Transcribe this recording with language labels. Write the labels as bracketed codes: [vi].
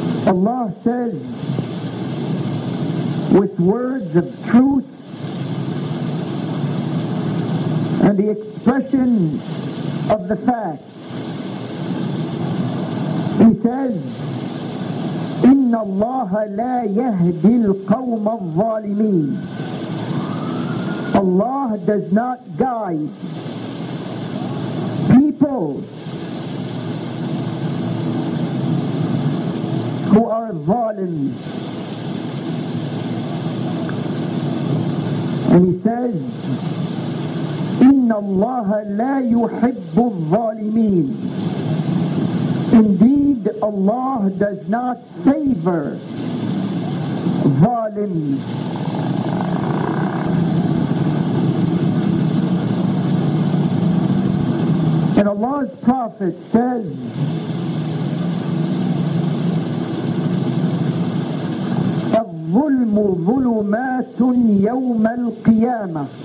[en] Allah says with words of truth and the expression of the fact. He says, [ar] إن الله لا يهدي القوم الظالمين. [en] Allah does not guide people who are zalims. And he says, [ar] إِنَّ اللَّهَ لَا يُحِبُّ الظَّالِمِينَ. [en] Indeed, Allah does not favor zalims. And Allah's Prophet says, [ar] الظلم ظلمات يوم القيامة.